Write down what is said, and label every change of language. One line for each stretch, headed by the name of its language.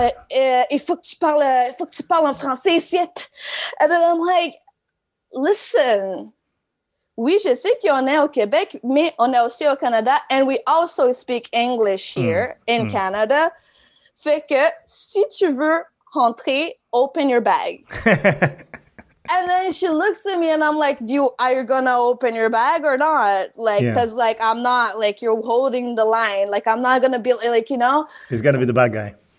French: Il faut que tu parles en français ici.
English: And then I'm like, listen,
French: oui, je sais qu'on est au Québec, mais on est aussi au Canada.
English: And we also speak English here in Canada.
French: Fait que si tu veux rentrer,
English: open your bag. And then she looks at me and I'm like, are you going to open your bag or not? Like, because like, I'm not like, you're holding the line. Like, I'm not going to be like, you know. He's going to be the bad guy.